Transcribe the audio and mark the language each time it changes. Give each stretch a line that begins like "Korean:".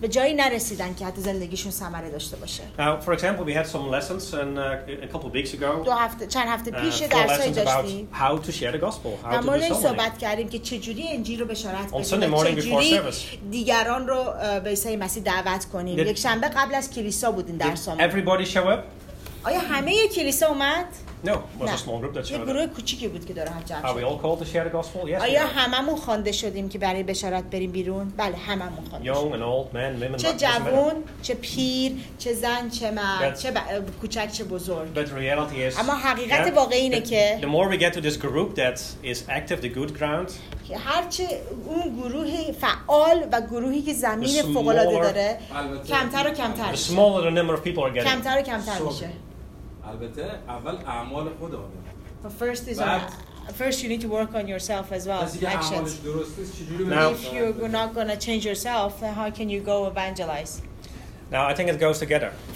Persian: به جایی نرسیدن که حتی زندگیشون ثمره داشته باشه.
English: Now, for example, we had some lessons and a couple of weeks ago.
Persian: چند هفته پیش درسای داشتیم.
English: How to share the gospel. How to do so.
Persian: ما صحبت کردیم که چجوری انجیل رو بشارت بدیم.
English: On Sunday morning before service.
Persian: دیگران رو به عیسی مسیح دعوت کنیم. یک شنبه قبل از کلیسا بودین درسامون.
English: Everybody show up.
Persian: آیا همه یه کلیسا اومد؟
English: No, was
Persian: نه،
English: a small group that
Persian: یه گروه کوچیکی بود که داره هم جمع شد.
English: Are we all called to share the gospel? Yes,
Persian: آیا هممون خوانده شدیم که برای بشارت بریم بیرون؟ بله، هممون خوانده شدیم.
English: Young and old, men, women,
Persian: چه جوون، چه پیر، چه زن، چه مرد، چه کوچک، چه بزرگ.
English: But reality is,
Persian: اما حقیقت yeah, واقعی اینه که
English: the more we get to this group that is active, the good ground,
Persian: هرچه اون گروه فعال و گروهی که زمین فوق‌العاده داره کمتر و کمتر میشه.
English: The smaller the number of people are getting.
Persian: کمتر و کمتر میشه. البته اول اعمال خدا میاد.
English: The first is
Persian: بعد
English: first you need to work on yourself as well. Actions. Now, if you're not going to change yourself, then how can you go evangelize? Now, I think it goes together.